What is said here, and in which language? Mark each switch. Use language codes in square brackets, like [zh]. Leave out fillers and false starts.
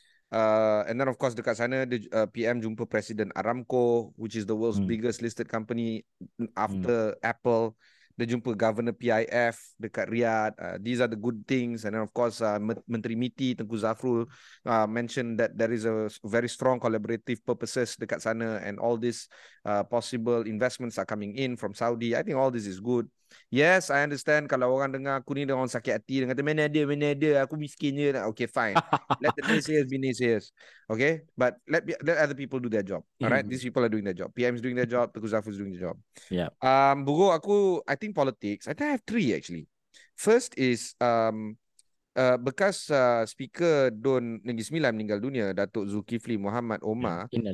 [en] And then of course [ms] dekat sana [en] the PM [ms] jumpa Presiden [en] Aramco, which is the world's biggest listed company after Apple. [ms] Dia jumpa Governor PIF dekat Riyadh. [en] These are the good things. And then of course Menteri MITI Tengku Zafrul mentioned that there is a very strong collaborative purposes [ms] dekat sana, [en] and all these possible investments are coming in from Saudi. I think all this is good. Yes, I understand [ms] kalau orang dengar aku ni dengan orang sakit hati dan kata mana ada aku miskin je. [en] Okay, fine. Let the naysayers be naysayers. Okay, but let other people do their job. Alright, these people are doing their job. PM is doing their job. Tengku Zafrul is doing their job. Yeah. Bugo, aku, I think politics. I think I have three actually. First is [ms] bekas speaker Dun Negeri Sembilan meninggal dunia, Datuk Zulkifli Muhammad Omar.